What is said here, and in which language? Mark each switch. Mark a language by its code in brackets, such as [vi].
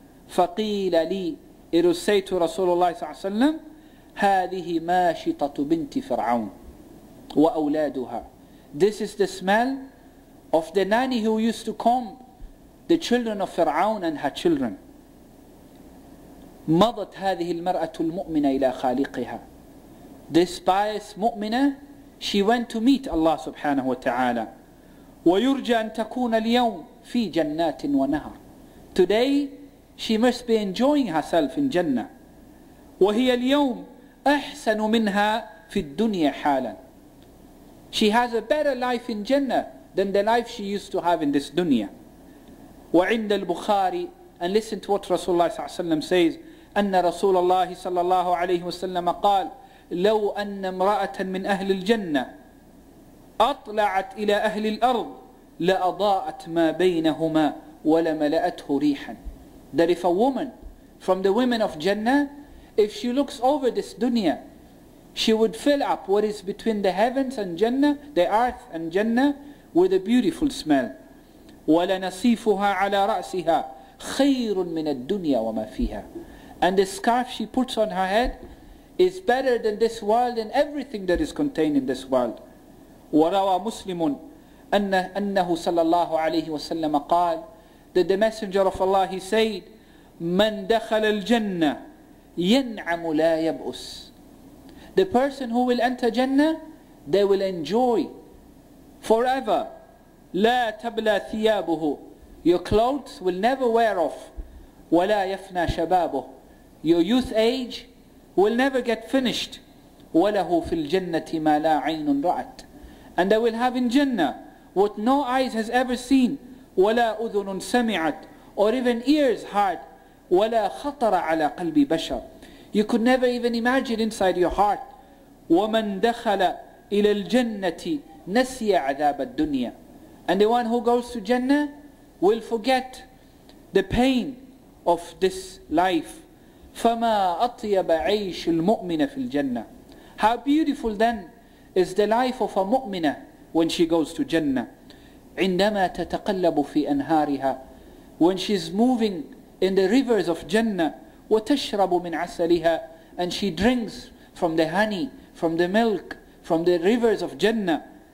[ar] فقيل لي, [en] it was said to Rasulullah [ar] صلى الله عليه وسلم, هذه ماشطة بنت فرعون وأولادها. [en] This is the smell of the nanny who used to comb the children of فرعون and her children. [ar] مضت هذه المرأة المؤمنة إلى خالقها. [en] This pious مؤمنة, she went to meet Allah subhanahu wa ta'ala. [ar] ويرجى أن تكون اليوم في جنات ونهر. [en] Today, she must be enjoying herself in Jannah. [ar] وهي اليوم أحسن منها في الدنيا حالا. [en] She has a better life in Jannah than the life she used to have in this dunya. [ar] وعند البخاري, [en] and listen to what Rasulullah [ar] صلى الله عليه وسلم says, أن رسول الله صلى الله عليه وسلم قال, لو أن امرأة من أهل الجنة أطلعت إلى أهل الأرض لأضاءت ما بينهما ولملأته ريحا. [en] That if a woman from the women of Jannah, if she looks over this dunya, she would fill up what is between the heavens and Jannah, the earth and Jannah, with a beautiful smell. [ar] ولنصيفها على رأسها خير من الدنيا وما فيها. [en] And the scarf she puts on her head is better than this world and everything that is contained in this world. [ar] وروى مسلم أنه صلى الله عليه وسلم قال, [en] that the messenger of Allah, he said, [ar] من دخل الجنة ينعم لا يبؤس. [en] The person who will enter Jannah, they will enjoy forever. [ar] لا تبلى ثيابه. [en] Your clothes will never wear off. [ar] ولا يفنى شبابه. [en] Your youth age will never get finished. [ar] وله في الجنة ما لا عين رأت. [en] And they will have in Jannah what no eyes has ever seen. [ar] ولا أذن سمعت. [en] Or even ears heard. [ar] ولا خطر على قلب بشر. [en] You could never even imagine inside your heart. [ar] ومن دخل إلى الجنة نسي عذاب الدنيا. [en] And the one who goes to Jannah will forget the pain of this life. [ar] فما أطيب عيش المؤمنة في الجنة. [en] How beautiful then is the life of a mu'mina when she goes to Jannah. [ar] عندما تتقلب في أنهارها. [en] When she's moving in the rivers of Jannah. [ar] وتشرب من عسلها. [en] And she drinks from the honey, from the milk, from the rivers of Jannah.